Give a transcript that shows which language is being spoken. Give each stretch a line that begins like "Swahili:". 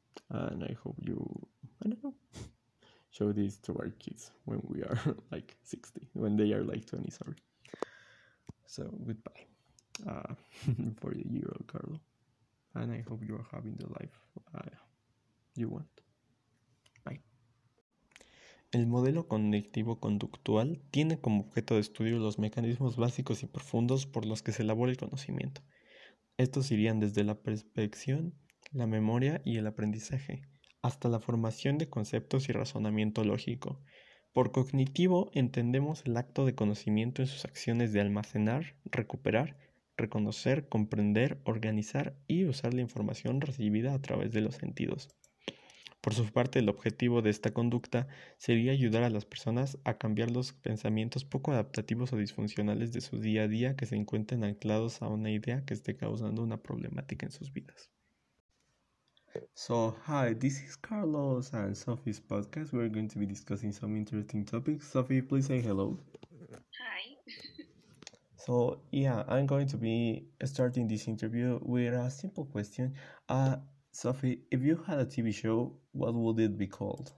English: And I hope you, I don't know, show this to our kids when we are like 60, when they are like 20, sorry. So, goodbye. for the year old Carlo. And I hope you are having the life you want.
Spanish: El modelo cognitivo conductual tiene como objeto de estudio los mecanismos básicos y profundos por los que se elabora el conocimiento. Estos irían desde la percepción, la memoria y el aprendizaje, hasta la formación de conceptos y razonamiento lógico. Por cognitivo entendemos el acto de conocimiento en sus acciones de almacenar, recuperar, reconocer, comprender, organizar y usar la información recibida a través de los sentidos. Por su parte, el objetivo de esta conducta sería ayudar a las personas a cambiar los pensamientos poco adaptativos o disfuncionales de su día a día que se encuentren anclados a una idea que esté causando una problemática en sus vidas.
English: So, hi, this is Carlos and Sophie's podcast. We're going to be discussing some interesting topics. Sophie, please say hello. So, yeah, I'm going to be starting this interview with a simple question. Sophie, if you had a TV show, what would it be called?